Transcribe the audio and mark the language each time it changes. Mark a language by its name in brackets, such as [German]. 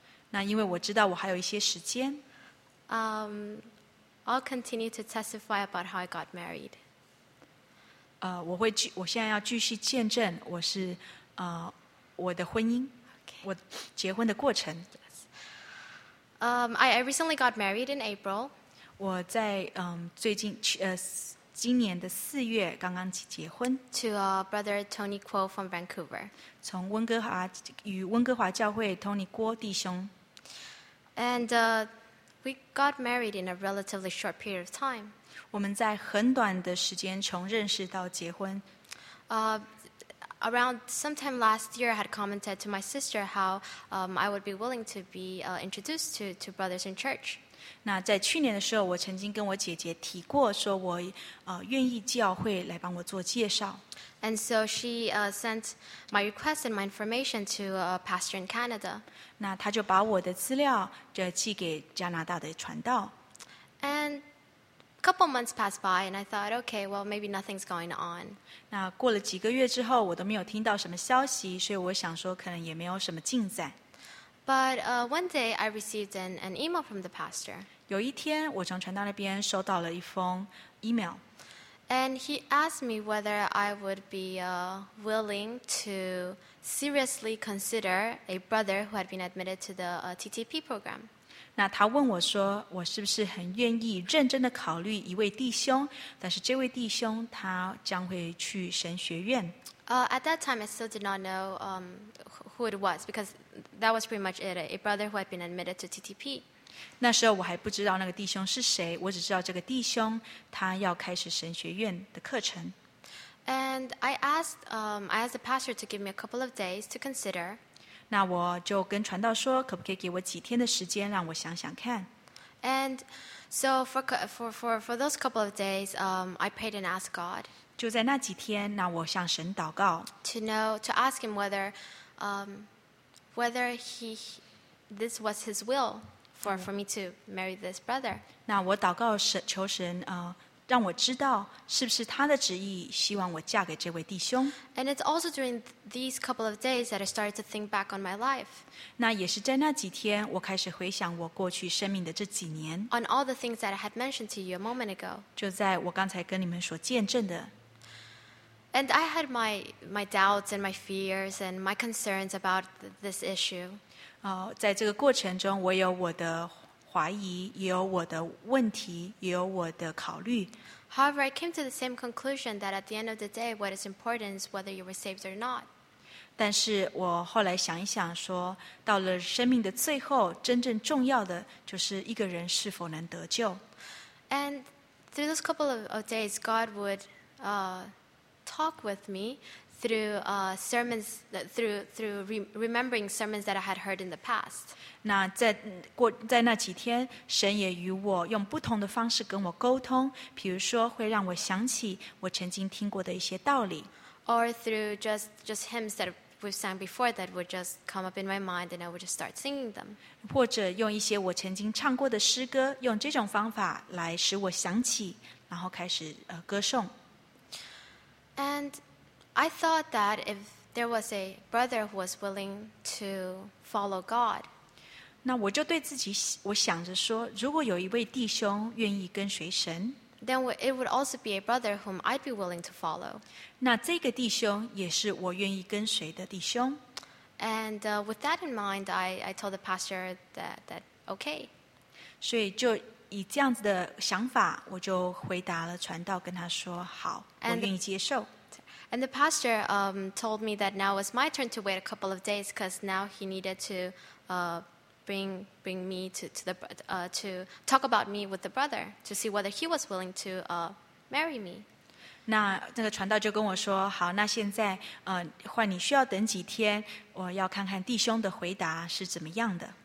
[Chinese] 那因为我知道我还有一些时间 [English] I'll continue to testify about how I got married. [Chinese] 我现在要继续见证我是我的婚姻， [English] okay. [Chinese] 我结婚的过程。 [English] Yes. I recently got married in April. [Chinese] 我在最近今年的四月刚刚结婚 [English] to a brother Tony Kuo from Vancouver [Chinese] 从温哥华与温哥华教会 Tony Kuo 弟兄 [English] and we got married in a relatively short period of time [Chinese] 我们在很短的时间从认识到结婚 [English] around sometime last year I had commented to my sister how I would be willing to be introduced to brothers in church [Chinese] 那在去年的时候，我曾经跟我姐姐提过，说我愿意教会来帮我做介绍。 [English] And so she sent my request and my information to a pastor in Canada. [Chinese] 那她就把我的资料就寄给加拿大的传道。 [English] And a couple months passed by, and I thought, okay, well, maybe nothing's going on. [Chinese] 那过了几个月之后，我都没有听到什么消息，所以我想说，可能也没有什么进展。 [English] But one day, I received an email from the pastor. [Chinese] 有一天，我从传道那边收到了一封 email. [English] And he asked me whether I would be willing to seriously consider a brother who had been admitted to the TTP program. [Chinese] 那他问我说，我是不是很愿意认真的考虑一位弟兄，但是这位弟兄他将会去神学院。 [English] At that time, I still did not know who it was because that was pretty much it—a brother who had been admitted to TTP. [Chinese] 那时候我还不知道那个弟兄是谁，我只知道这个弟兄他要开始神学院的课程。 [English] And I asked the pastor to give me a couple of days to consider. [Chinese] 那我就跟传道说，可不可以给我几天的时间，让我想想看。 [English] And so for those couple of days, I prayed and asked God. [Chinese] 就在那几天，那我向神祷告。 [English] To ask him whether, whether this was his will for me to marry this brother. [Chinese] 那我祷告神，求神，让我知道是不是他的旨意，希望我嫁给这位弟兄。 [English] And it's also during these couple of days that I started to think back on my life. [Chinese] 那也是在那几天，我开始回想我过去生命的这几年。 [English] On all the things that I had mentioned to you a moment ago. [Chinese] 就在我刚才跟你们所见证的。 [English] And I had my doubts and my fears and my concerns about this issue. [Chinese] 在这个过程中，我有我的怀疑，也有我的问题，也有我的考虑。 [English] However, I came to the same conclusion that at the end of the day, what is important is whether you were saved or not. [Chinese] 但是我后来想一想说，到了生命的最后，真正重要的就是一个人是否能得救。 [English] And through those couple of days, God would talk with me through sermons, through remembering sermons that I had heard in the past. [Chinese] 那 在那几天，神也与我用不同的方式跟我沟通，比如说会让我想起我曾经听过的一些道理。 [English] Or through just hymns that we've sang before that would just come up in my mind and I would just start singing them. [Chinese] 或者用一些我曾经唱过的诗歌，用这种方法来使我想起，然后开始歌颂。 [English] And I thought that if there was a brother who was willing to follow God, [Chinese] 那我就对自己，我想着说，如果有一位弟兄愿意跟随神 [English] ，then it would also be a brother whom I'd be willing to follow. [Chinese] 那这个弟兄也是我愿意跟随的弟兄。 [English] And with that in mind, I told the pastor that okay. [Chinese] 所以就以这样子的想法，我就回答了传道，跟他说好，我愿意接受。 [English] And the pastor told me that now was my turn to wait a couple of days because now he needed to bring me to talk about me with the brother to see whether he was willing to marry me. [Chinese] 那个传道就跟我说，好，那现在换你需要等几天，我要看看弟兄的回答是怎么样的。